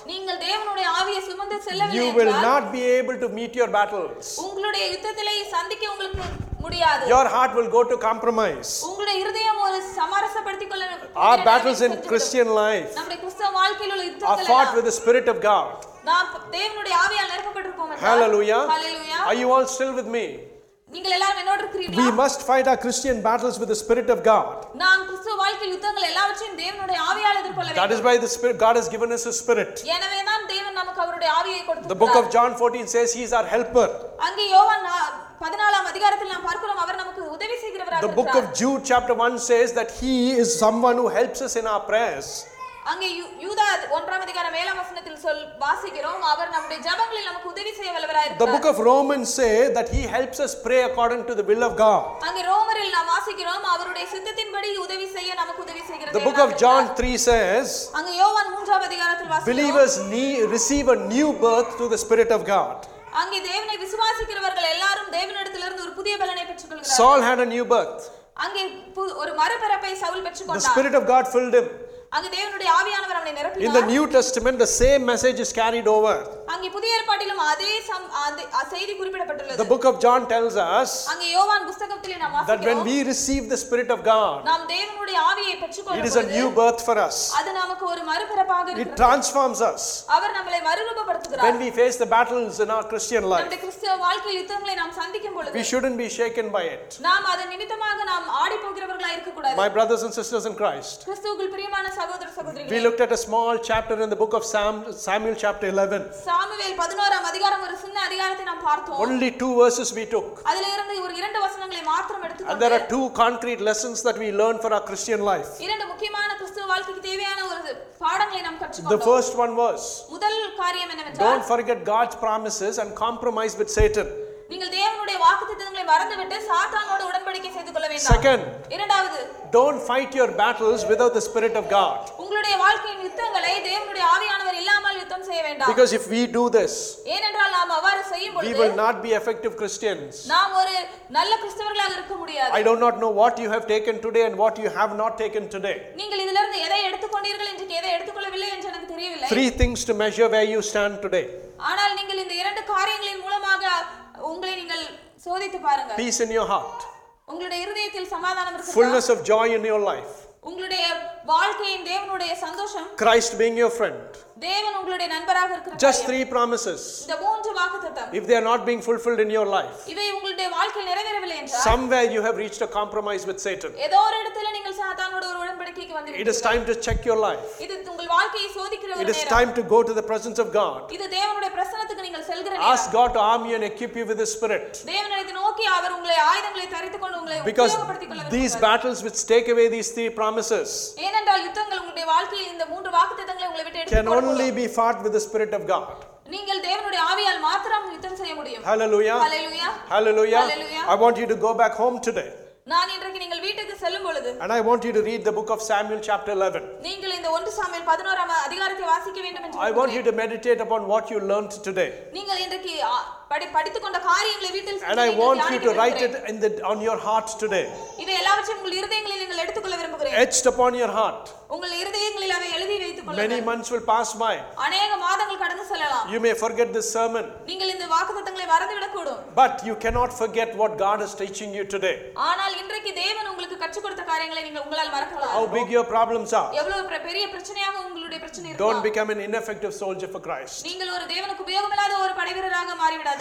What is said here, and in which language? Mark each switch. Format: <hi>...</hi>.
<ta>நீங்கள் தேவனுடைய ஆவியை சுமந்து செல்லவில்லை என்றால்.</ta> <en>You will not be able to meet your battles.</en> <ta>உங்களுடைய யுத்தத்திலே சந்திக்க உங்களுக்கு</ta> <en>Your heart will go to compromise.</en> <ta>உங்களுடைய இதயம் ஒரு சமரசப்படுத்திக்கொள்ள.</ta> <en>Our battles in Christian life.</en> <ta>நம்முடைய கிறிஸ்தவ வாழ்க்கையில் உள்ள யுத்தங்கள்</ta> <en>are fought with the spirit of God.</en> <ta>நாம் தேவனுடைய ஆவியால் நிரப்பப்பட்டிருப்போம்.</ta> <en>Hallelujah. Hallelujah. Are you all still with me?</en> <ta>நீங்கள் எல்லாரும் என்னோடு இருக்கிறீர்களா?</ta> <en>We must fight our Christian battles with the spirit of God.</en> <ta>நாம் கிறிஸ்தவ வாழ்க்கையில் யுத்தங்கள் எல்லாவற்றையும் தேவனுடைய ஆவியால் எதிர்கொள்ள வேண்டும்.</ta> <en>That is why the spirit God has given us his spirit.</en> <ta>எனவே தான் தேவன் நமக்கு அவருடைய ஆவியை கொடுத்திருக்கிறார்.</ta> <en>The book of John 14 says he is our helper.</en> <ta>அங்கே யோவான் 14ஆம் அதிகாரத்தில் நாம் பார்க்கிறோம் அவர் நமக்கு உதவி செய்கிறவராக இருக்கிறார்.</ta> <en>The book of Jude chapter 1 says that he is someone who helps us in our prayers.</en> <ta>அங்கே யூதா 1ஆம் அதிகாரம் 7ஆம் வசனத்தில் சொல் வாசிக்கிறோம் அவர் நம்முடைய ஜெபங்களில் நமக்கு உதவி செய்ய வல்லவராக இருக்கிறார்.</ta> <en>The book of Romans say that he helps us pray according to the will of God.</en> <ta>அங்கே ரோமரில் நாம் வாசிக்கிறோம் அவருடைய சித்தத்தின்படி உதவி செய்ய நமக்கு உதவி செய்கிறார்.</ta> <en>The book of John 3 says</en> <ta>அங்கே யோவான் 3ஆம் அதிகாரத்தில் வாசிக்கிறோம்</ta> <en>Believers need receive a new birth through the spirit of God.</en> <ta>அங்கே தேவனை விசுவாசிக்கிறவர்கள் எல்லாரும் தேவனிடத்திலிருந்து ஒரு புதிய பலனை பெற்றுக்கொள்கிறார்கள்.</ta> <en>Saul had a new birth.</en> <ta>அங்கே ஒரு மறுபிறப்பை சவுல் பெற்றுக்கொண்டார்.</ta> <en>The spirit of God filled him.</en> <ta>அங்கே தேவனுடைய ஆவியானவர் அவனை நிரப்பினார்.</ta> <en>In the New Testament the same message is carried over.</en> <ta>அங்கே புதிய ஏற்பாட்டிலும் அதே செய்தி குறிப்பிடப்பட்டுள்ளது.</ta> <en>The book of John tells us</en> <ta>அங்கே யோவான் புத்தகத்திலே நாம் வாசிக்கிறோம்</ta> <en>that when we receive the spirit of God</en> <ta>நாம் தேவனுடைய ஆவியை பெற்றுக்கொள்ளும்</ta> <en>it is a new birth for us.</en> <ta>அது நமக்கு ஒரு மறுபிறப்பாக இருக்கிறது.</ta> <en>It transforms us.</en> <ta>அவர் நம்மளை மறுரூபப்படுத்துகிறார்.</ta> <en>When we face the battles in our Christian life</en> <ta>நம்முடைய கிறிஸ்தவ வாழ்க்கையில் யுத்தங்களை நாம் சந்திக்கும் பொழுது</ta> <en>we shouldn't be shaken by it.</en> <ta>நாம் அதன் நிமித்தமாக நாம் ஆடி போகிறவர்களாய் இருக்க கூடாது.</ta> <en>My brothers and sisters in Christ</en> <ta>கிறிஸ்துவுக்குள் பிரியமான சகோதர சகோதரிகளே</ta> <en>we looked at a small chapter in the book of Samuel chapter 11</en> <ta>Samuel 11ஆம் அதிகாரம் ஒரு சின்ன அதிகாரத்தை நாம் பார்த்தோம்.</ta> <en>Only 2 verses we took.</en> <ta>அதிலிருந்து ஒரு இரண்டு வசனங்களை மட்டும் எடுத்துக்கொண்டோம்.</ta> <en>There are 2 concrete lessons that we learned for our Christian life.</en> <ta>இரண்டு முக்கியமான கிறிஸ்துவ வாழ்க்கைக்கு தேவையான ஒரு பாடங்களை நாம் கற்றுக்கொண்டோம்.</ta> <en>The first one was</en> <ta>முதல் காரியம் என்னவென்றால்</ta> <en>Don't forget God's promises and compromise with Satan.</en> <ta>நீங்கள் தேவனுடைய வாக்குத்தத்தங்களை மறந்துவிட்டு சாத்தானோடு உடன்படிக்கை செய்து கொள்ள வேண்டாம்.</ta> <en>Second</en> <ta>இரண்டாவது</ta> <en>Don't fight your battles without the spirit of God.</en> <ta>உங்களுடைய வாழ்க்கையின் யுத்தங்களை தேவனுடைய ஆவியானவர் இல்லாமல் யுத்தம் செய்ய</ta> <en>Because if we do this,</en> <ta>ஏனென்றால் நாம் அவ்வாறு செய்யும் பொழுது,</ta> <en>we will not be effective Christians.</en> <ta>நாம் ஒரு நல்ல கிறிஸ்தவர்களாக இருக்க முடியாது.</ta> <en>I do not know what you have taken today and what you have not taken today.</en> <ta>நீங்கள் இதிலிருந்து எதை எடுத்துக்கொண்டீர்கள் இன்று எதை எடுத்துக்கொள்ளவில்லை என்று எனக்கு தெரியவில்லை.</ta> <en>Three things to measure where you stand today.</en> <ta>ஆனால் நீங்கள் இந்த இரண்டு காரியங்களின் மூலமாக உங்களை நீங்கள் சோதித்து பாருங்க.</ta> <en>Peace in your heart.</en> <ta>உங்களுடைய இதயத்தில் சமாதானம் இருக்கிறதா?</ta> <en>Fullness of joy in your life.</en> <ta>உங்களுடைய வாழ்க்கையின் தேவனுடைய சந்தோஷம்.</ta> <en>Christ being your friend.</en> <ta>தேவன் உங்களுடைய நண்பராக இருக்கிறார்.</ta> <en>Just three promises.</en> <ta>இந்த மூன்று வாக்குத்தத்தம்.</ta> <en>If they are not being fulfilled in your life.</en> <ta>இவை உங்களுடைய வாழ்க்கையில் நிறைவேறவில்லை என்றால்.</ta> <en>Somewhere you have reached a compromise with Satan.</en> <ta>ஏதோ ஒரு இடத்துல நீங்கள் சாத்தானோடு ஒரு உடன்படிக்கைக்கு வந்துவிட்டீர்கள்.</ta> <en>It is time to check your life.</en> <ta>இது உங்கள் வாழ்க்கையை சோதிக்கிற ஒரு நேரம்.</ta> <en>It is time to go to the presence of God.</en> <ta>இது தேவனுடைய பிரசன்னத்துக்கு நீங்கள் செல்கிற நேரம்.</ta> <en>Ask God to arm you and equip you with his spirit.</en> <ta>தேவனை நோக்கி அவர் உங்களை ஆயுதங்களை தரித்துக் கொண்டு உங்களை உபயோகப்படுத்திக் கொள்ள.</ta> <en>These battles which take away these three promises.</en> <ta>ஏனென்றால் யுத்தங்கள் உங்களுடைய வாழ்க்கையில் இந்த மூன்று வாக்குத்தத்தங்களை உங்களை விட்டு எடுத்து</ta> <en>Only be fought with the Spirit of God.</en> <ta>நீங்கள் தேவனுடைய ஆவியால் மாத்திரம் யுத்தம் செய்ய முடியும்.</ta> <en>Hallelujah. Hallelujah. Hallelujah. Hallelujah. I want you to go back home today.</en> <ta>நான் இன்றைக்கு நீங்கள் வீட்டுக்கு செல்லும் பொழுது.</ta> <en>And I want you to read the book of Samuel chapter 11.</en> <ta>நீங்கள் இந்த 1 சாமுவேல் 11 ஆம் அதிகாரத்தை வாசிக்க வேண்டும் என்று.</ta> <en>I want you to meditate upon what you learned today.</en> <ta>நீங்கள் இன்றைக்கு படித்துக்கொண்ட காரியங்களை வீட்டில்</ta> <en>And I want you to write it in the on your heart today.</en> <ta>இதை எல்லாவற்றையும் உங்கள் இதயங்களில் நீங்கள் எடுத்துக்கொள்ள விரும்புகிறேன்.</ta> <en>Etched upon your heart.</en> <ta>உங்கள் இதயங்களில் அதை எழுதி வைத்துக் கொள்ளுங்கள்.</ta> <en>Many months will pass by.</en> <ta>அநேக மாதங்கள் கடந்து செல்லலாம்.</ta> <en>You may forget this sermon.</en> <ta>நீங்கள் இந்த வாக்குத்தத்தங்களை மறந்துவிடக் கூடும்.</ta> <en>But you cannot forget what God is teaching you today.</en> <ta>ஆனால் இன்றைக்கு தேவன் உங்களுக்கு கற்றுக் கொடுத்த காரியங்களை நீங்கள் உங்களால் மறக்கலாம்.</ta> <en>How big your problems are.</en> <ta>எவ்வளவு பெரிய பிரச்சனையாக உங்களுடைய பிரச்சனை இருக்கலாம்.</ta> <en>Don't become an ineffective soldier for Christ.</en> <ta>நீங்கள் ஒரு தேவனுக்கு உபயோகமில்லாத ஒரு படைவீரராக மாறிவிடாதீர்கள்.</ta>